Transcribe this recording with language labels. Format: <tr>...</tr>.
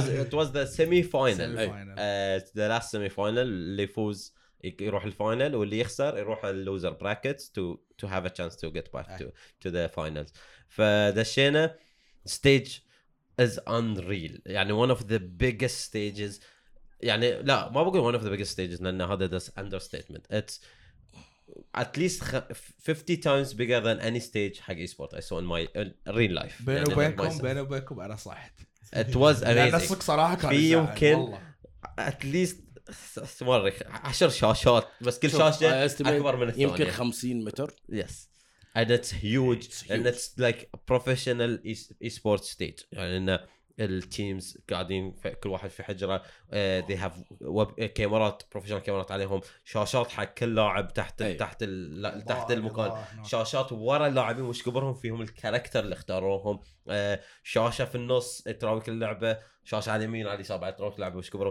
<ar>كان</ar> <en>it was the semi-final the last semi-final</en> <ar>اللي يفوز يروح الفاينل واللي يخسر يروح</ar> <en>loser brackets to have a chance to get back to the finals</en> <ar>فدشينا</ar> <en>stage is unreal يعني one of the biggest stages</en> <ar>يعني لا ما بقول</ar> <en>one of the biggest stages</en> <ar>لأن هذا</ar> <en>this understatement it's at least 50 times bigger than any stage</en> <ar>حق</ar> <en>e-sport I saw in my real life</en> <ar>بيني وبينكم بيني وبينكم أنا صحت</ar> <en>it was amazing</en> <ar>لا نسلك صراحة كان في يمكن</ar> <en>at least</en> <ar>سمار 10 شاشات بس كل شاشة أكبر من الثانية يمكن 50 متر</ar> <en>yes and it's huge and it's like a professional e-sport stage</en> <ar>يعني إنه التيمز قاعدين كل واحد في حجره</ar> <en>they have</en> <ar>كاميرات بروفيشنال كاميرات عليهم شاشات حق كل لاعب تحت تحت المكان شاشات ورا اللاعبين وش كبرهم فيهم الكاركتر اللي اختاروهم شاشه في النص تراوك اللعبه شاشه على اليمين على اليسار تراوك اللعبه وش كبرهم</ar>